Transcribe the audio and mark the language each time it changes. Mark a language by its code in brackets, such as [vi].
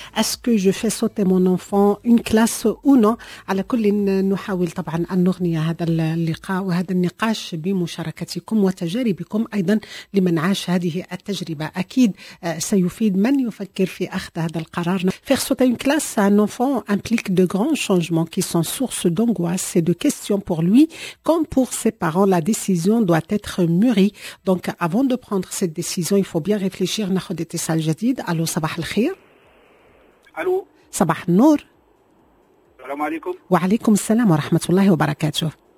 [fr] أسكو جو في سوتي مون أنفان اون كلاس أو نو؟ [ar] على كل نحاول طبعا أن نغني هذا اللقاء وهذا النقاش مشاركتكم وتجاربكم أيضا لمن عاش هذه التجربة، أكيد سيفيد من يفكر في أخذ هذا القرار. [fr] Faire sauter une classe à un enfant implique de grands changements qui sont source d'angoisse et de questions pour lui comme pour ses parents. La décision doit être mûrie. Donc avant de prendre cette décision, il faut bien réfléchir. [ar] نأخذ اتصال جديد. Allô, صباح الخير. [fr] Allô. [ar] صباح النور. السلام عليكم. وعليكم السلام ورحمة الله وبركاته.